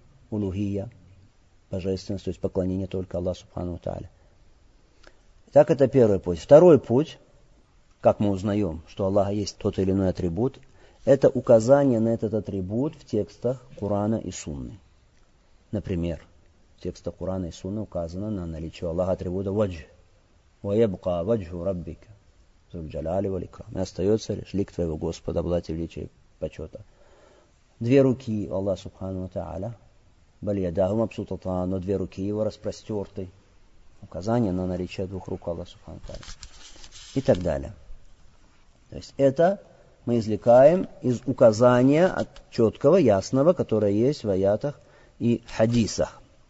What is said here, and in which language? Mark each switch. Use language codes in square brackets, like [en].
[ru] Улухия, божественность, то есть поклонение только Аллаху Субхану Тааля. Итак, это первый путь. Второй путь, как мы узнаем, что у Аллаха есть тот или иной атрибут, это указание на этот атрибут в текстах Курана и Сунны. Например, в текстах Курана и Сунны указано на наличие Аллаха атрибута ваджх. [ar] ويبقى وجه ربك ذو الجلال والإكرام. [ru] И остается лишь лик твоего Господа, благодать и величие и почета. Две руки Аллах Субхану Ва Тааля, [ar] бальядахума абсутата, [ru] но две руки его распростерты. Указание на наличие двух рук Аллах Субхану Ва Тааля. И так далее. То есть это мы извлекаем из указания от четкого, ясного, которое есть в аятах и хадисах.